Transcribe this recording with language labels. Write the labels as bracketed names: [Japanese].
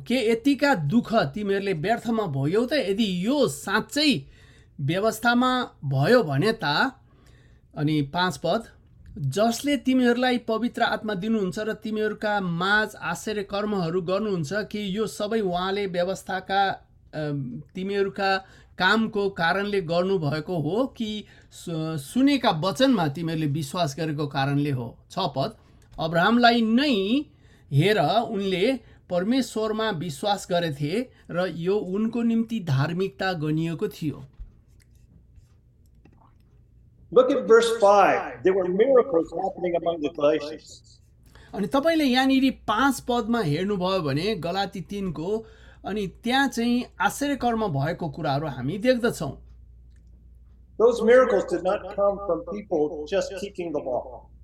[Nepali] के यतिका दुःख तिमीहरूले व्यर्थमा भोग्यौ त? यदि यो साँच्चै व्यवस्थामा भयो भने त, अनि पाँच पद, जसले तिमीहरूलाई पवित्र आत्मा दिनुहुन्छ र तिमीहरूका माझ आश्चर्य कर्महरू गर्नुहुन्छ, कि यो सबै उहाँले व्यवस्थाका तिमीहरूका कामको कारणले गर्नुभएको हो, कि सुनेका वचनमा तिमीहरूले विश्वास गरेको कारणले हो? छ पद, अब्राहमलाई नै हेर, उनले परमेश्वरमा विश्वास गरेथे र यो उनको निम्ति धार्मिकता गनिएको थियो। [English] Look at verse 5. There were miracles happening among the Galatians. [Nepali] अनि तपाईले यहाँनेरि पाँच पदमा हेर्नुभयो भने गलाती तिनको, अनि त्यहाँ चाहिँ आश्चर्यकर्म भएको कुराहरू हामी देख्दछौँ। [English] Those miracles did not come from people just keeping the law.